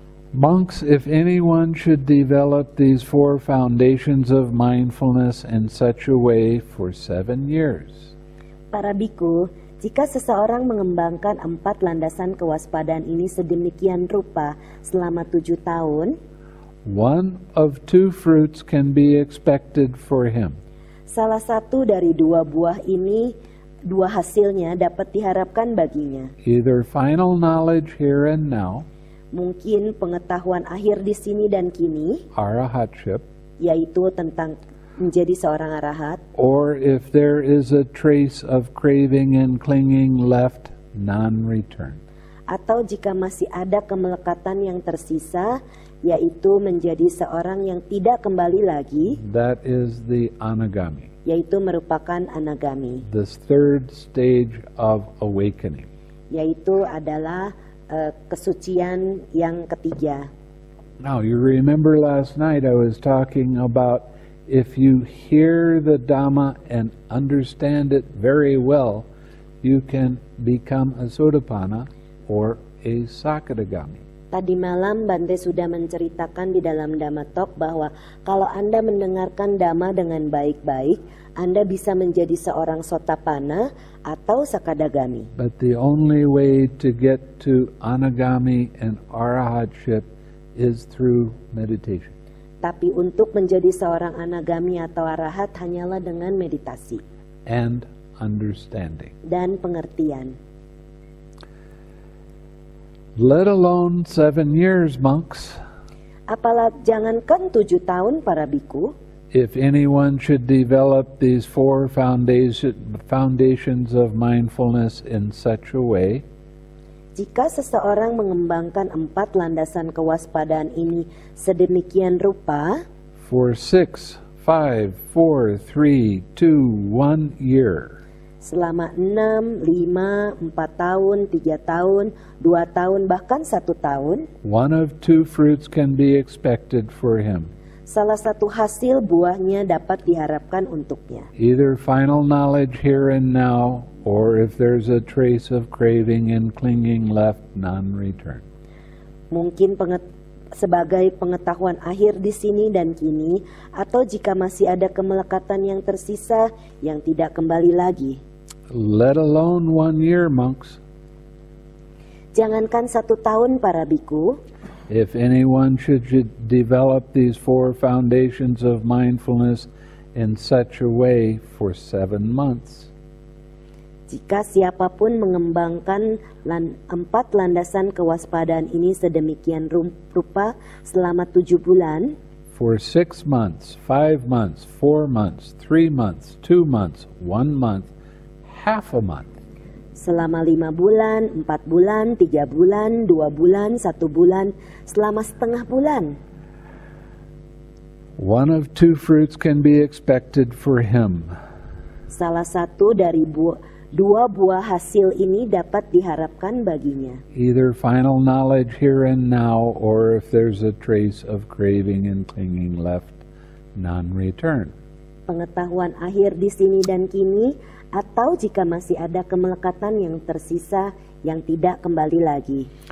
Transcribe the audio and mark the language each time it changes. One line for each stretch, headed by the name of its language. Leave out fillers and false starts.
English: Monks, if anyone should develop these four foundations of mindfulness in such a way for 7 years.
Indonesian: Para bhikkhu, jika seseorang mengembangkan empat landasan kewaspadaan ini sedemikian rupa selama 7 tahun,
English: one of two fruits can be expected for him.
Indonesian: Salah satu dari dua buah ini, dua hasilnya dapat diharapkan baginya.
English: Either final knowledge here and now,
Indonesian: mungkin pengetahuan akhir di sini dan kini,
English: arahatship,
Indonesian: yaitu tentang menjadi seorang arahat,
English: or if there is a trace of craving and clinging left, non-return,
Indonesian: atau jika masih ada kemelekatan yang tersisa, yaitu menjadi seorang yang tidak kembali lagi,
English: that is the anagami,
Indonesian: yaitu merupakan anagami,
English: the third stage of awakening,
Indonesian: yaitu adalah kesucian yang ketiga.
English: Now you remember last night I was talking about if you hear the Dhamma and understand it very well, you can become a Sotapanna or a Sakadagami.
Indonesian: Tadi malam Bante sudah menceritakan di dalam Dhamma Talk bahwa kalau Anda mendengarkan Dhamma dengan baik-baik, Anda bisa menjadi seorang Sotapanna atau Sakadagami.
English: But the only way to get to anagami and arahatship is through meditation.
Indonesian: Tapi untuk menjadi seorang anagami atau arahat hanyalah dengan meditasi.
English: And understanding.
Indonesian: Dan pengertian.
English: Let alone 7 years, monks.
Indonesian: Apalagi jangankan 7 tahun, para bhikkhu.
English: If anyone should develop these four foundations of mindfulness in such a way,
Indonesian: jika seseorang mengembangkan empat landasan kewaspadaan ini sedemikian rupa,
English: for 6, 5, 4, 3, 2, 1 year,
Indonesian: selama 6, 5, 4 tahun, 3 tahun, 2 tahun, bahkan 1 tahun,
English: one of two fruits can be expected for him.
Indonesian: Salah satu hasil buahnya dapat diharapkan untuknya.
English: Either final knowledge here and now, or if there's a trace of craving and clinging left, non-return.
Indonesian: Mungkin sebagai pengetahuan akhir di sini dan kini, atau jika masih ada kemelekatan yang tersisa yang tidak kembali lagi.
English: Let alone 1 year, monks.
Indonesian: Jangankan 1 tahun, para bhikkhu.
English: If anyone should develop these four foundations of mindfulness in such a way for 7 months,
Indonesian: jika siapapun mengembangkan empat landasan kewaspadaan ini sedemikian rupa selama 7 bulan,
English: for 6 months, 5 months, 4 months, 3 months, 2 months, 1 month, half a month,
Indonesian: selama 5 bulan, 4 bulan, 3 bulan, 2 bulan, 1 bulan, selama setengah bulan,
English: one of two fruits can be expected for him.
Indonesian: Salah satu dari dua buah hasil ini dapat diharapkan baginya.
English: Either final knowledge here and now, or if there's a trace of craving and clinging left, non-return.
Indonesian: Pengetahuan akhir di sini dan kini, atau jika masih ada kemelekatan yang tersisa yang tidak kembali lagi.